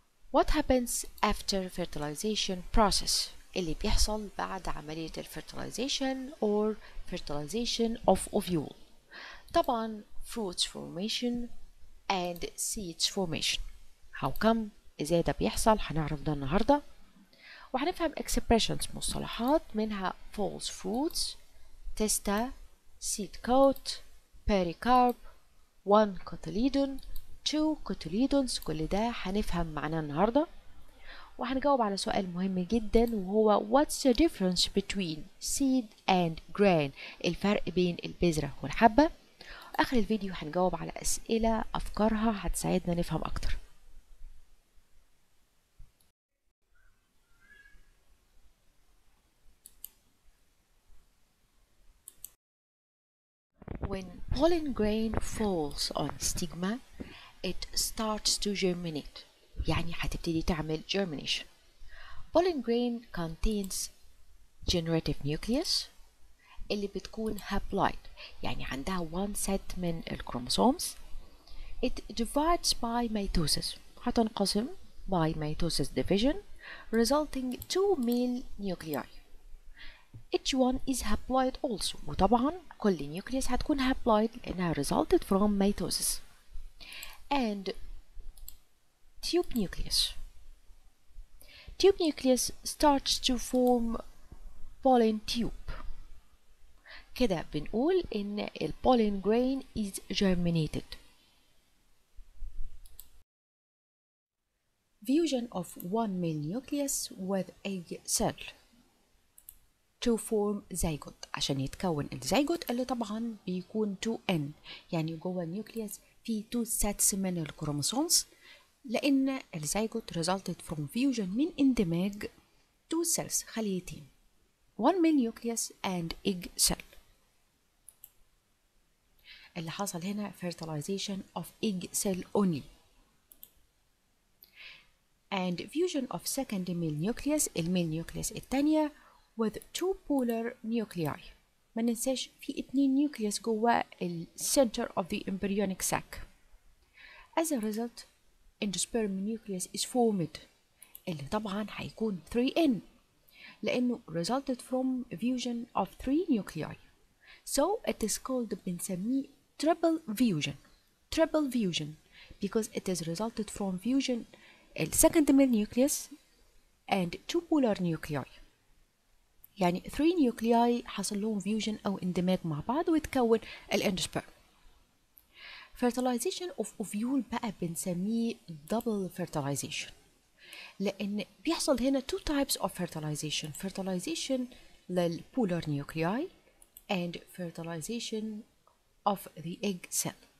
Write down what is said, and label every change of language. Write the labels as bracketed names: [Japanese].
[English] What happens after fertilization process? [Arabic] اللي بيحصل بعد عملية ال [English] fertilization or fertilization of ovule. [Arabic] طبعا [English] fruits formation and seeds formation. How come? [Arabic] إزاي ده بيحصل؟ هنعرف ده النهاردة. وهنفهم [English] expressions [Arabic] مصطلحات منها [English] false fruits, testa, seed coat, pericarp, one cotyledon, two cotyledons. [Arabic] كل ده هنفهم معناه النهاردة. وهنجاوب على سؤال مهم جدا وهو [English] What's the difference between seed and grain؟ [Arabic] الفرق بين البذرة والحبة. آخر الفيديو هنجاوب على أسئلة أفكارها هتساعدنا نفهم أكتر. [English] When pollen grain falls on stigma, it starts to germinate. [Arabic] يعني هتبتدي تعمل germination. [English] Pollen grain contains generative nucleus [Arabic] اللي بتكون [English] haploid [Arabic] يعني عندها [English] one set [Arabic] من الكروموسومز. [English] It divides by mitosis [Arabic] هتنقسم [English] by mitosis division resulting two male nuclei. Each one is haploid also [Arabic] وطبعا كل [English] nucleus [Arabic] هتكون [English] haploid [Arabic] لأنها [English] resulted from mitosis. And tube nucleus. Tube nucleus starts to form pollen tube. [Arabic] كده بنقول إن ال [English] pollen grain is germinated. Fusion of one male nucleus with a cell to form zygote. [Arabic] عشان يتكون الزيجوت اللي طبعا بيكون 2N يعني جوه النيوكليوس في 2 sets من الكروموسومز. لأن الزيجوت [English] resulted from fusion [Arabic] من اندماج [English] two cells [Arabic] خليتين [English] one male nucleus and egg cell. [Arabic] اللي حصل هنا [English] fertilization of egg cell only. And fusion of second male nucleus [Arabic] المال [English] nucleus [Arabic] التانية [English] with two polar nuclei. [Arabic] ما ننساش في اتنين nucleus جوه ال [English] center of the embryonic sac. As a result endosperm nucleus is formed [Arabic] اللي طبعا هيكون [English] 3N [Arabic] لأنه [English] resulted from fusion of 3 nuclei. So it is called [Arabic] بنسميه [English] triple fusion. Triple fusion because it is resulted from fusion ال second male nucleus and 2 polar nuclei. [Arabic] يعني 3 nuclei حصل لهم fusion أو اندماج مع بعض وتكون الاندوسبرم. [English] Fertilization of ovule [Arabic] بقى بنسميه [English] double fertilization [Arabic] لأن بيحصل هنا [English] two types of fertilization. Fertilization للpolar nuclei and fertilization of the egg cell.